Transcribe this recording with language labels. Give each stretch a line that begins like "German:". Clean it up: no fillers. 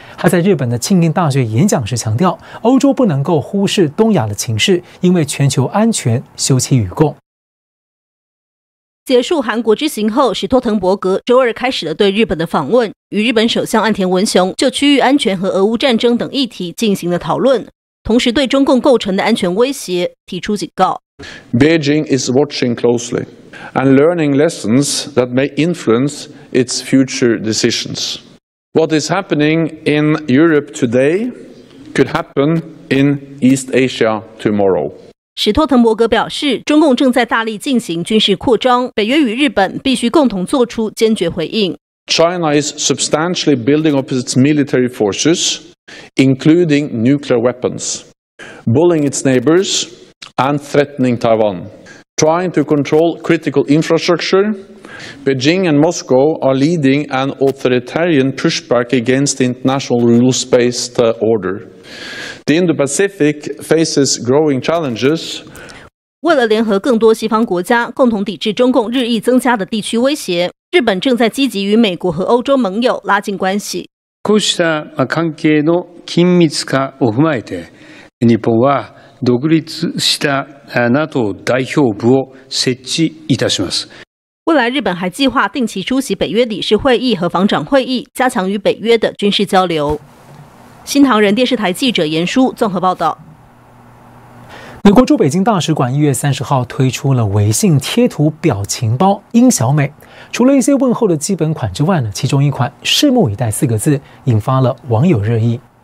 Chinese: 他在日本的庆应大学演讲时强调，欧洲不能够忽视东亚的情势，因为全球安全休戚与共。结束韩国之行后，史托滕伯格周二开始了对日本的访问，与日本首相岸田文雄就区域安全和俄乌战争等议题进行了讨论，同时对中共构成的安全威胁提出警告。
English: Beijing is watching closely and learning lessons that may influence its future decisions. What is happening in Europe today could happen in East Asia tomorrow.
Chinese: 史托滕伯格表示，中共正在大力进行军事扩张，北约与日本必须共同做出坚决回应。
English: China is substantially building up its military forces. including nuclear weapons, bullying its neighbors and threatening Taiwan, trying to control critical infrastructure. Beijing and Moscow are leading an authoritarian pushback against the international rules-based order. The Indo-Pacific faces growing challenges.
Chinese: 为了联合更多西方国家，共同抵制中共日益增加的地区威胁，日本正在积极与美国和欧洲盟友拉近关系。
Japanese: こうした関係の緊密化を踏まえて、日本は独立した NATO 代表部を設置いたします。
Chinese: 未来日本还计划定期出席北约理事会议和防长会议，加强与北约的军事交流。新唐人电视台记者严书综合报道。美国驻北京大使馆1月30号推出了微信贴图表情包“英小美”，除了一些问候的基本款之外呢，其中一款“拭目以待”四个字引发了网友热议。